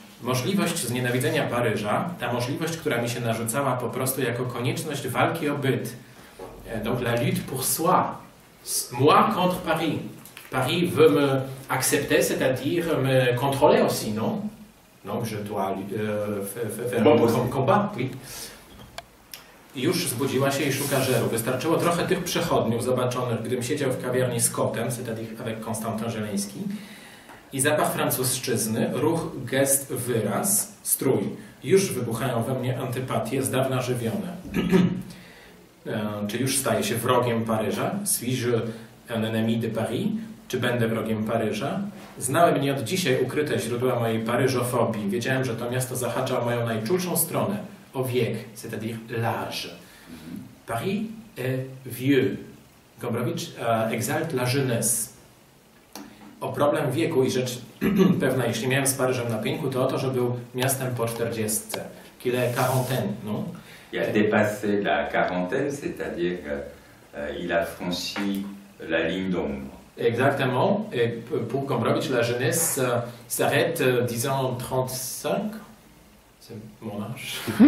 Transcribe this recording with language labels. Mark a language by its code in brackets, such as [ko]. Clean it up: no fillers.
[pl] możliwość znienawidzenia Paryża, ta możliwość, która mi się narzucała po prostu jako konieczność walki o byt. [fr] Donc la lutte pour soi. Moi contre Paris. Paris veut me accepter, c'est-à-dire me contrôler aussi, non? Donc je dois faire un bon combat, oui. [pl] I już zbudziła się i szuka żeru. Wystarczyło trochę tych przechodniów zobaczonych, gdym siedział w kawiarni z Kotem, [fr] c'est-à-dire avec Konstantin Żeleński. [pl] I zapach francuszczyzny, ruch, gest, wyraz, strój. Już wybuchają we mnie antypatie z dawna żywione. Czy już staję się wrogiem Paryża? [fr] Suis-je un ennemi de Paris? [pl] Czy będę wrogiem Paryża? Znały mnie od dzisiaj ukryte źródła mojej paryżofobii. Wiedziałem, że to miasto zahacza o moją najczulszą stronę. O wiek, [fr] c'est-à-dire l'âge. Paris est vieux. Gombrowicz exalte la jeunesse. [pl] O problem wieku i rzecz pewna, jeśli miałem z Paryżem na pięku, to o to, że był miastem po czterdziestce. [fr] Qu'il est quarantaine, non? Il a dépassé la quarantaine, c'est-à-dire il a franchi la ligne d'ombre. Exactement. Et pour Gombrowicz, la jeunesse s'arrête, disons, 35. C'est mon âge.